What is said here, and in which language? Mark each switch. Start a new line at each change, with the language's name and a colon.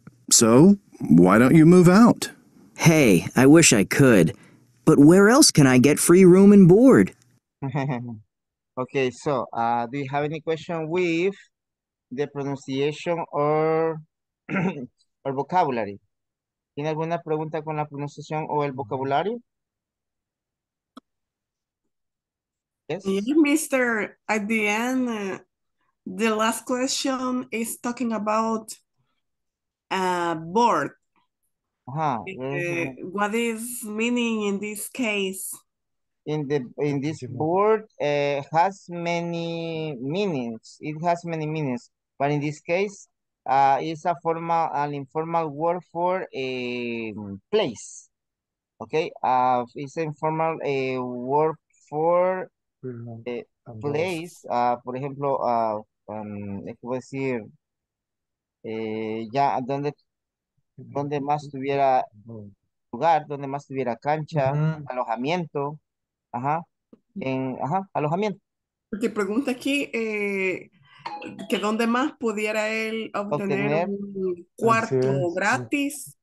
English: So, why don't you move out? Hey, I wish I could, but where else can I get free room and board? Okay, so do you have any question with the pronunciation or or vocabulary?
Spanish: ¿Tiene alguna pregunta con la pronunciación o el vocabulario?
English: Yes, Mr. At the end, the last question is talking about board. Uh-huh. What is meaning in this case? In this word has many meanings. It has many meanings, but in this case, it's a formal, an informal word for a place. Okay, it's an informal word for a place. For example,
Spanish: ¿qué puedo decir? Donde más tuviera lugar, donde más tuviera cancha, uh-huh, alojamiento, ajá, en, ajá, alojamiento. Porque pregunta aquí, que donde más pudiera él obtener un cuarto gratis.